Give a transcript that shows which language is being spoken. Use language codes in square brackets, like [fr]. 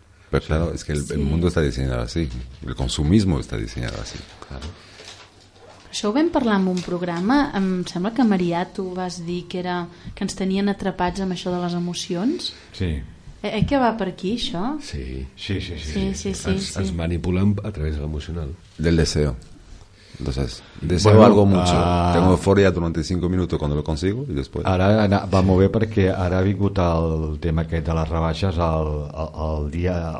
[es] Pero claro, es que el mundo está diseñado así. El consumismo está diseñado así. [ca] Claro. Això ho vam parlar en un programa. Em sembla que Marià, tu vas dir que era que ens tenien atrapats amb això de les emocions. Sí. Què va per aquí, això? Sí, sí, sí. Sí, sí, sí, sí, ens manipulen a través de l'emocional. [es] Del deseo. Entonces, deseo bueno, algo mucho. Tengo euforia durante 5 minutos cuando lo consigo y después... [ca] Ara va molt bé perquè ara ha vingut el tema aquest de les rebaixes el dia...